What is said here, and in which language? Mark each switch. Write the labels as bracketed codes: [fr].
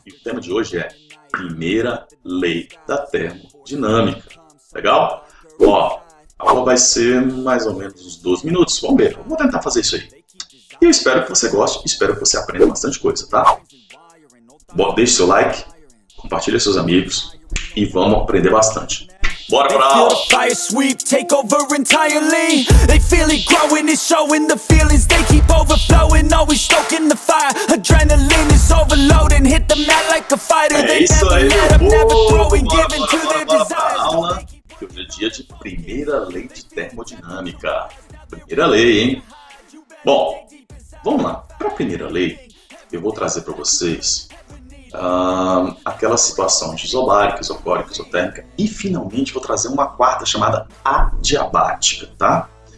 [pt] E o tema de hoje é Primeira Lei da Termodinâmica. Legal? Ó, a aula vai ser mais ou menos uns 12 minutos. Vamos ver, vamos tentar fazer isso aí. E eu espero que você goste, espero que você aprenda bastante coisa, tá? Bom, deixe seu like, compartilhe com seus amigos e vamos aprender bastante. Bora pra aula! [en] Fire sweep, take over entirely. They feel it growing, it's showing the feelings. They keep overflowing, always stoking the fire. Adrenaline is overloading, hit the mat like a fighter. They never throwing, giving to their desires. [pt] Hoje é dia de primeira lei de termodinâmica. Primeira lei, hein? Bom, vamos lá. Pra primeira lei, eu vou trazer pra vocês aquela situação de isobárica, isocórica, isotérmica, e finalmente vou trazer uma quarta chamada adiabática, tá?